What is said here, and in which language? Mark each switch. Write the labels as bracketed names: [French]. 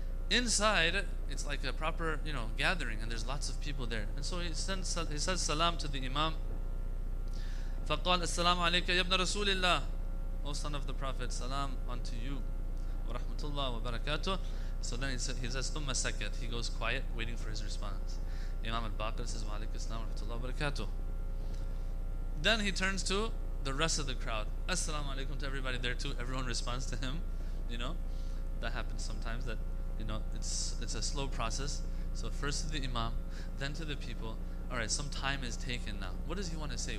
[English] Inside, it's like a proper, you know, gathering, and there's lots of people there. And so he says salam to the Imam. [Arabic] فَقَالَ السَّلَامُ عَلَيْكَ يَا ابْنَ رَسُولِ اللَّهِ. [English] O son of the Prophet, salam unto you. [Arabic] وَرَحْمَةُ اللَّهِ وَبَرَكَاتُهُ. [English] So then he says, [Arabic] ثُمَّ سَكَتْ. [English] He goes quiet, waiting for his response. Imam al-Baqir says, [Arabic] وَعَلَيْكَ السَّلَامُ وَرَحْمَةُ اللَّهِ وَبَرَكَاتُهُ. [English] Then he turns to the rest of the crowd. Assalamu alaikum to everybody there too. Everyone responds to him. You know, that happens sometimes, that, you know, it's a slow process. So first to the Imam, then to the people. Alright, some time is taken now. What does he want to say?